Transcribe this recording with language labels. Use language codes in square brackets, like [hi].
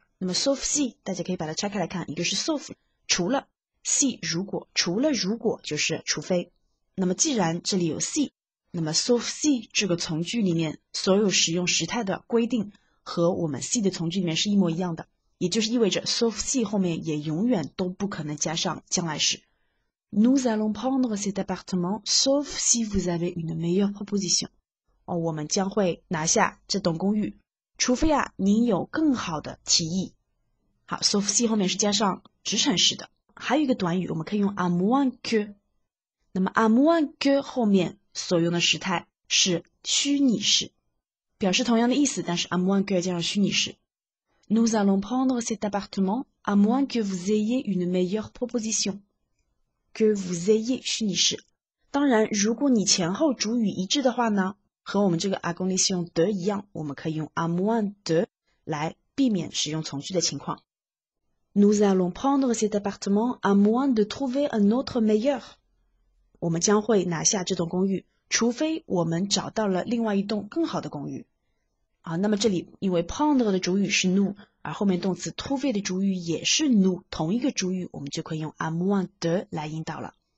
[zh] 那么 sauf si 大家可以把它拆开来看，一个是 sauf 除了 si 如果，除了如果就是除非。那么既然这里有 si，那么 sauf si 这个从句里面所有使用时态的规定和我们 si 的从句里面是一模一样的，也就是意味着 sauf si 后面也永远都不可能加上将来时。 [fr] Nous allons prendre cet appartement sauf si vous avez une meilleure proposition。 [zh] 我们将会拿下这栋公寓。除非您有更好的提议。好，sauf si 后面是加上直陈式的。还有一个短语，我们可以用 à moins que。那么 à moins que 后面所用的时态是虚拟式，表示同样的意思，但是 à moins que 加上虚拟式。 [fr] Nous allons prendre cet appartement à moins que vous ayez une meilleure proposition. Que vous ayez [zh] 虚拟式。当然，如果你前后主语一致的话呢，和我们这个 à condition de 一样，我们可以用 à moins de 来避免使用从句的情况。 [fr] Nous allons prendre cet appartement à moins de trouver un autre meilleur. [zh] 我们将会拿下这栋公寓，除非我们找到了另外一栋更好的公寓。啊，那么这里因为 prendre 的主语是 nous， 而后面动词 trouver 的主语也是 nous， 同一个主语，我们就可以用 à moins de 来引导了。